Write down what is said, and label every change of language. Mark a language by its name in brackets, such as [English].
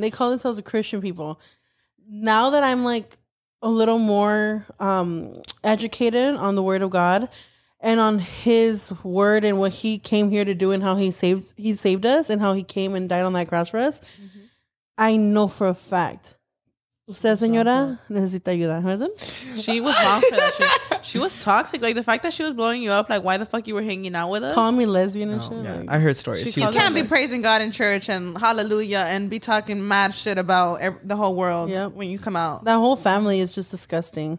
[English] They call themselves a Christian people. Now that I'm like a little more educated on the word of God and on his word and what he came here to do and how he saved us and how he came and died on that cross for us, mm-hmm. I know for a fact [Spanish] Usted, señora, necesita ayuda. [English] She was wrong for that shit. She was toxic. Like, the fact that she was blowing you up, like, why the fuck you were hanging out with us? Call me lesbian and shit. Yeah. Like, I heard stories. She can't be praising God in church and hallelujah and be talking mad shit about the whole world when you come out. That whole family is just disgusting.